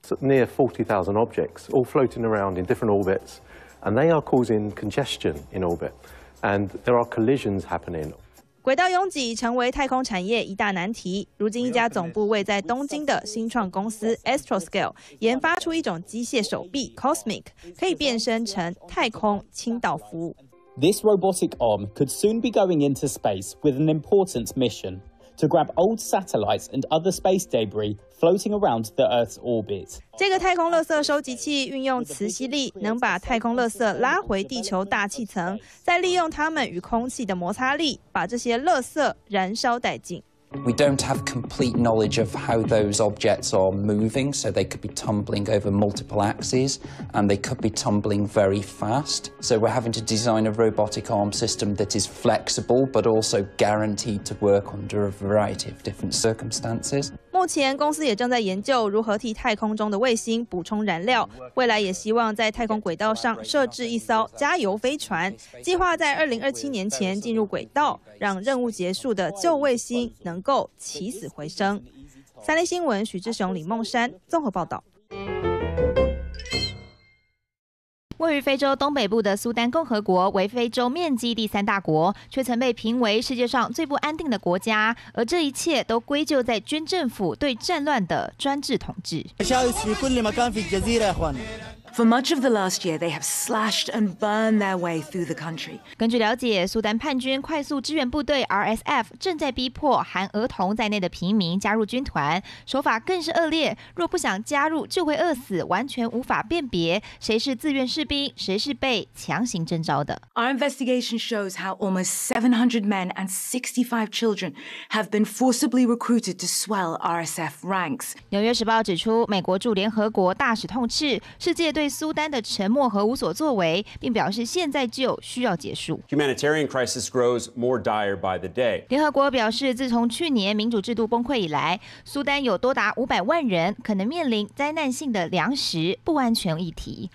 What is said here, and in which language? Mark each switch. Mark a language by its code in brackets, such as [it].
[en] Near 40,000 objects all floating around in different orbits, and they are causing congestion in orbit, and there are collisions happening. [zh] 轨道拥挤成为太空产业一大难题。如今一家总部位在东京的新创公司 Astroscale 研发出一种机械手臂 Cosmic， 可以变身成太空倾倒服务。 [en] This robotic arm could soon be going into space with an important mission to grab old satellites and other space debris floating around the Earth's orbit. [zh] 这个太空垃圾收集器运用磁吸力，能把太空垃圾拉回地球大气层，再利用它们与空气的摩擦力，把这些垃圾燃烧殆尽。 [en] We don't have complete knowledge of how those objects are moving, so they could be tumbling over multiple axes, and they could be tumbling very fast. So we're having to design a robotic arm system that is flexible, but also guaranteed to work under a variety of different circumstances. [zh] 目前公司也正在研究如何替太空中的卫星补充燃料，未来也希望在太空轨道上设置一艘加油飞船，计划在2027年前进入轨道，让任务结束的旧卫星能够起死回生。三立新闻许志雄、李孟山综合报道。位于非洲东北部的苏丹共和国为非洲面积第三大国，却曾被评为世界上最不安定的国家，而这一切都归咎在军政府对战乱的专制统治。 [en] For much of the last year, they have slashed and burned their way through the country. [zh] 根据了解，苏丹叛军快速支援部队 RSF 正在逼迫含儿童在内的平民加入军团，手法更是恶劣。若不想加入，就会饿死，完全无法辨别谁是自愿士兵，谁是被强行征召的。 [en] Our investigation shows how almost 700 men and 65 children have been forcibly recruited to swell RSF ranks. [zh] 纽约时报指出，美国驻联合国大使痛斥世界。对苏丹的沉默和无所作为，并表示现在就需要结束。 [en] Humanitarian crisis grows more dire by the day. [zh] 联合国表示，自从去年民主制度崩溃以来，苏丹有多达500万人可能面临灾难性的粮食不安全议题。